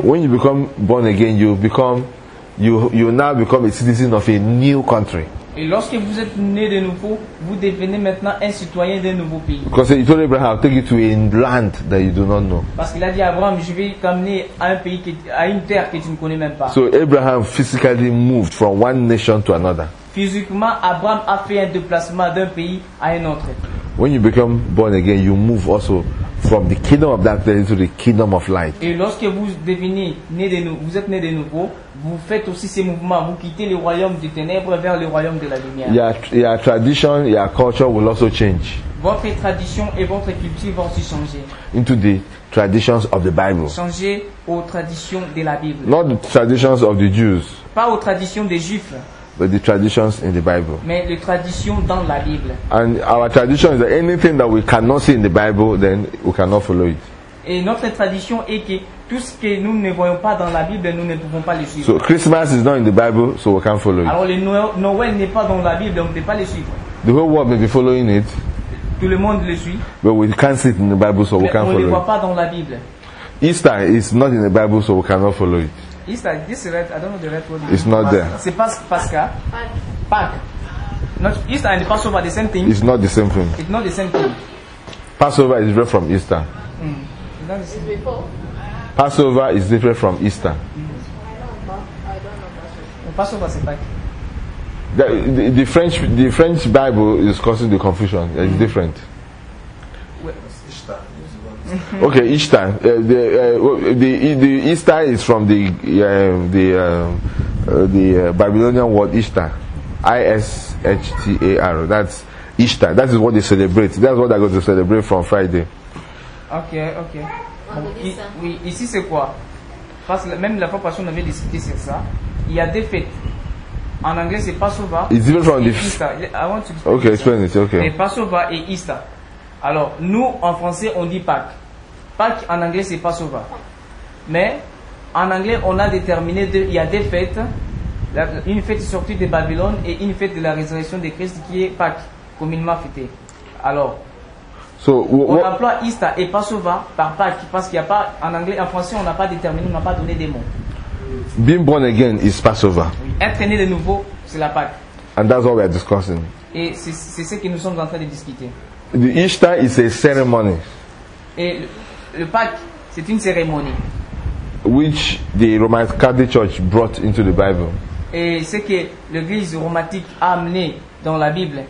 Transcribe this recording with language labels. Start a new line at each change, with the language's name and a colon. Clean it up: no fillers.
English: When you become born again, you now become a citizen of a new country.
French: Et lorsque vous êtes né de nouveau, vous devenez maintenant un citoyen d'un nouveau pays.
English: Because he told Abraham, "I'll take you to a land that you do not know."
French: Parce qu'il a dit à Abraham, je vais t'amener à un pays à une terre que tu ne connais même pas.
English: So Abraham physically moved from one nation to another.
French: Physiquement, Abraham a fait un déplacement d'un pays à un autre.
English: When you become born again, you move also from the kingdom of darkness into the kingdom of light.
French: Et lorsque vous devenez né de nouveau, vous êtes né de nouveau. Vous faites aussi ces mouvements. Vous quittez le royaume des ténèbres vers le royaume de la lumière.
English: Your tradition, your culture will also change.
French: Votre tradition et votre culture vont aussi changer.
English: Into the traditions of the Bible.
French: Changer aux traditions de la Bible.
English: Not the traditions of the Jews.
French: Pas aux traditions des Juifs.
English: But the traditions in the Bible.
French: Mais les traditions dans la Bible.
English: And our tradition is that anything that we cannot see in the Bible, then we cannot follow it.
French: Et notre tradition est que tout ce que nous ne voyons pas dans la Bible, nous ne pouvons pas le suivre.
English: So Christmas is not in the Bible, so we can't follow it.
French: Alors le Noël n'est pas dans la Bible, donc on ne peut pas le suivre.
English: The whole world may be following it.
French: Tout le monde le suit.
English: But we can't see it in the Bible, so
French: Mais
English: we can't follow it.
French: On ne le voit pas dans la Bible.
English: Easter is not in the Bible, so we cannot follow it. Easter, this is right, I don't know the right word. It's not Pascha. There.
French: C'est Pascha. Pâques.
English: Not Easter and Passover, the same thing. It's not the same thing. It's not the same thing. Passover is right from Easter. Passover is different from Easter.
French: Passover, c'est Pâques.
English: The French Bible is causing the confusion. It's different. Okay, Easter. The Easter is from the Babylonian word Easter, I S H-T-A-R. That's Easter. That is what they celebrate. That's what they're going to celebrate from Friday.
French: Okay, okay. Oui, ici c'est quoi? Parce que même la population avait discuté sur ça. Il y a des fêtes. En anglais, c'est Passover.
English: It's even from the Easter. I want to explain. Okay, explain it. Okay.
French: Mais Passover et Easter. Alors, nous en français, on dit Pâques. Pâques en anglais, c'est Passover. Mais en anglais, on a déterminé deux. Il y a des fêtes. Une fête sortie de Babylone et une fête de la résurrection de Christ qui est Pâques, communément fêtée. Alors.
English: So,
French: on emploie Easter et Passover par Pâques parce qu'il n'y a pas, en anglais, en français, on n'a pas déterminé, on n'a pas donné des mots.
English: Being born again is Passover.
French: Être né de nouveau, c'est la Pâques.
English: And that's what we are discussing.
French: Et c'est ce que nous sommes en train de discuter.
English: The Easter is a ceremony.
French: Et le Pâques, c'est une cérémonie.
English: Which the Roman Catholic Church brought into the Bible.
French: Et ce que l'Église romantique a amené dans la Bible.